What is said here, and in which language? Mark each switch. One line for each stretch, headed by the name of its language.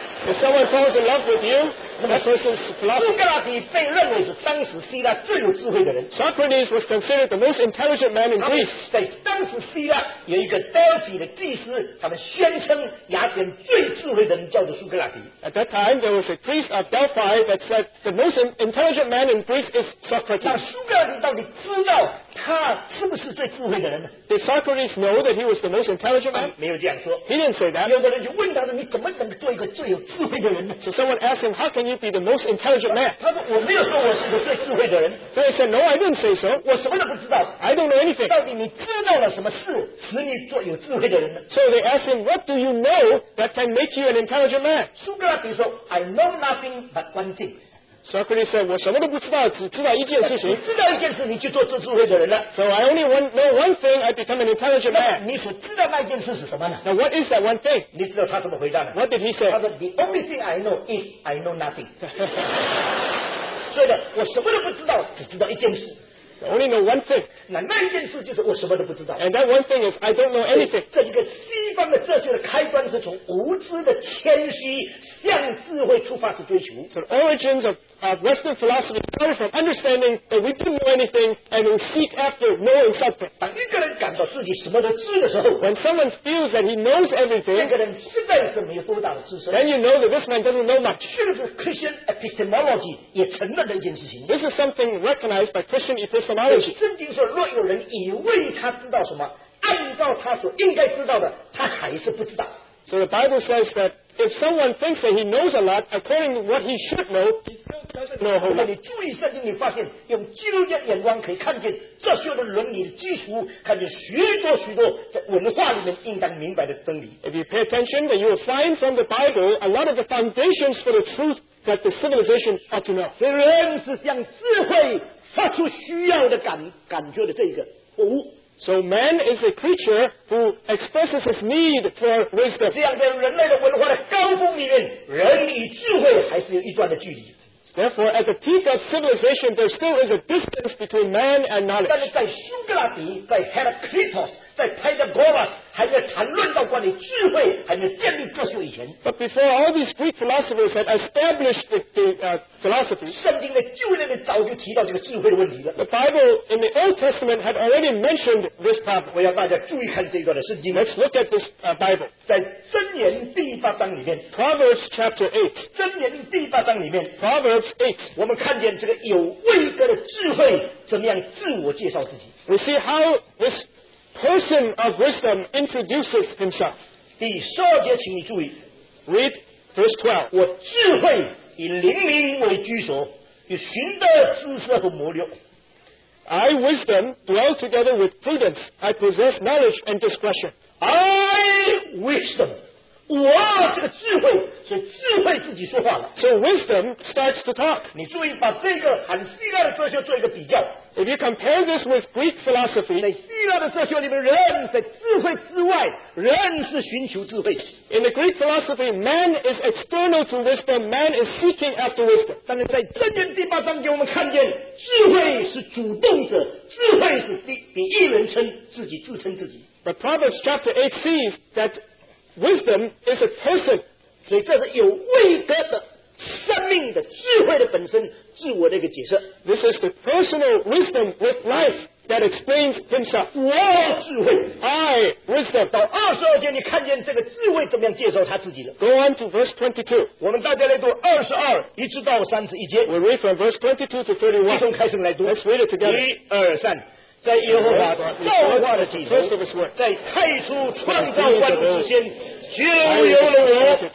English: If someone falls in love with you, that person is philosopher.
Chinese: 苏格拉底被认为是当时希腊最有智慧的人。
English: Socrates was considered the most intelligent man in Greece.
Chinese: 在当时希腊有一个 Delphi 的祭司，他们宣称雅典最智慧的人叫做苏格拉底。
English: At that time, there was a priest of Delphi that said the most intelligent man in Greece is Socrates.
Chinese: 那苏格拉底到底知道他是不是最智慧的人呢？
English: Did Socrates know that he was the most intelligent man?
Chinese: 没有这样说。
English: He didn't say that.
Chinese: 有的人就问他说：“你怎么能做一个最有？”
English: So someone asked him, how can you be the most intelligent man?
Chinese: 他说我没有说我是个最智慧的人。
English: So he said, no, I didn't say so.
Chinese: 我什么都不知道。
English: I don't know anything.
Chinese: 到底你知道了什么事使你做有智慧的人呢？
English: So they asked him, what do you know that can make you an intelligent man?
Chinese: 苏格拉底说
English: I know nothing but one thing. Socrates said,
Chinese: 我什么都不知道，只知道一件事情。你知道一件事，你就做智慧的人了。
English: So I only know one thing, I become an intelligent man.
Chinese: 你所知道那件事是什么呢？
English: Now what is that one thing?
Chinese: 你知道他怎么回答的？
English: What did he say?
Chinese: 他说
English: The only thing I know is I know nothing.
Chinese: 所以呢，我什么都不知道，只知道一件事。
English: Only know one thing.
Chinese: 那一件事就是我什么都不知道。
English: And that one thing is I don't know anything.
Chinese: 这一个西方的哲学的开端是从无知的谦虚向智慧出发去追求。
English: So the origins of Western philosophy started from understanding that we don't know anything and we seek after knowing something.
Chinese: 当一个人感到自己什么都知的时候
English: ，When someone feels that he knows everything,
Chinese: 那个人实在是没有多大的知识。
English: Then you know that this man doesn't know much.
Chinese: 这个是 Christian epistemology 也承认的一件事情。
English: This is something recognized by Christian epistemology.
Chinese: 圣经说，若有人以为他知道什么，按照他所应该知道的，他还是不知道。
English: So the Bible says that if someone thinks that he knows a lot, according to what he should know, he still doesn't know whole lot.
Chinese: 你注意圣经，你发现用基督教眼光可以看见这些的伦理的基础，看见许多许多在文化里面应当明白的真理。
English: If you pay attention, then you will find from the Bible a lot of the foundations for the truth that the civilization ought to know.
Chinese: 虽然是像智慧。发出需要的感觉的这个服务。
English: So man is a creature who expresses his need for wisdom.
Chinese: 这样在人类的文化的高峰里面，人与智慧还是有一段的距离。
English: Therefore, at the peak of civilization, there still is a distance between man and knowledge.
Chinese: 但是在苏格拉底、在 Heraclitus、在 Pythagoras 还没谈论到关于智慧、还没建立哲学以前
English: ，But before all these Greek philosophers had established the philosophy,
Chinese: 圣经的旧约里面早就提到这个智慧的问题了。
English: The Bible in the Old Testament had already mentioned this problem.
Chinese: 我要大家注意看这一段的圣经。
English: Let's look at this Bible.
Chinese: 在箴言第八章里面
English: ，Proverbs chapter 8。
Chinese: 箴言第八章里面
English: ，Proverbs。
Chinese: 我们看见这个有位格的智慧怎么样自我介绍自己。
English: We see how this person of wisdom introduces himself.
Chinese: 第十二节，请你注意。
English: Read verse 12.
Chinese: 我智慧以灵明为居所，以寻得知识和谋略。
English: I wisdom dwell together with prudence. I possess knowledge and discretion. I wisdom.
Chinese: 哇，这个智慧，所以智慧自己说话了。
English: So wisdom starts to talk.
Chinese: 你注意把这个和希腊的哲学做一个比较。
English: If you compare this with Greek philosophy,
Chinese: 在希腊的哲学里面，人在智慧之外，人是寻求智慧。
English: In the Greek philosophy, man is external to wisdom, man is seeking after wisdom.
Chinese: 但是在箴言第八章给我们看见，智慧是主动者，智慧是第一人称，自己自称自己。
English: But Proverbs chapter 8 sees that wisdom is a person.
Chinese: 所以这是有位格的。生命的智慧的本身，自我的一个解释。
English: This is the personal wisdom with life that explains himself.
Chinese: 我智慧
English: ，I wisdom.
Chinese: 到二十二节，你看见这个智慧怎么样介绍他自己了
English: ？Go on to verse 22.
Chinese: 我们大家来读二十二一直到三十一节。
English: We read from verse 22 to 31.
Chinese: 一同开始来读。
English: Let's read it together.
Chinese: 一二三。在耶和华造化的起初，在太初创造万物之先，绝无有了我。